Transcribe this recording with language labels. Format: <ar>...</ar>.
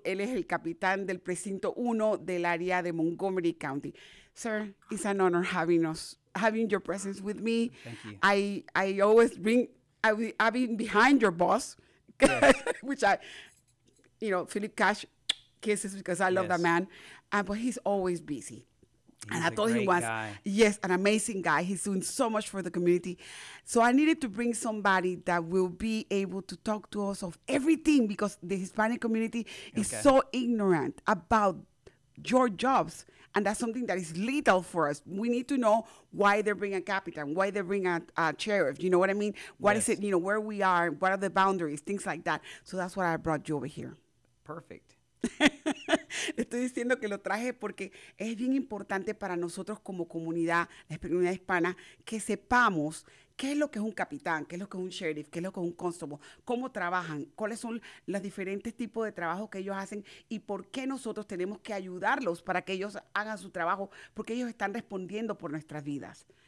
<es>Él es el capitán del precinto 1 del área de Montgomery County.</es> <en>Sir, it's an honor having your presence with me. Thank you. I've been behind your boss, yes. Which Philip Cash, kisses because I love that man, but he's always busy. He's and I told him once, yes, an amazing guy. He's doing so much for the community. So I needed to bring somebody that will be able to talk to us of everything because the Hispanic community is so ignorant about your jobs. And that's something that is lethal for us. We need to know why they bring a captain, why they bring a sheriff. You know what I mean? What is it, where we are, what are the boundaries, things like that. So that's why I brought you over here. Perfect.</en> <es>Estoy diciendo que lo traje porque es bien importante para nosotros como comunidad, la comunidad hispana, que sepamos qué es lo que es un capitán, qué es lo que es un sheriff, qué es lo que es un constable, cómo trabajan, cuáles son los diferentes tipos de trabajo que ellos hacen y por qué nosotros tenemos que ayudarlos para que ellos hagan su trabajo, porque ellos están respondiendo por nuestras vidas.</es>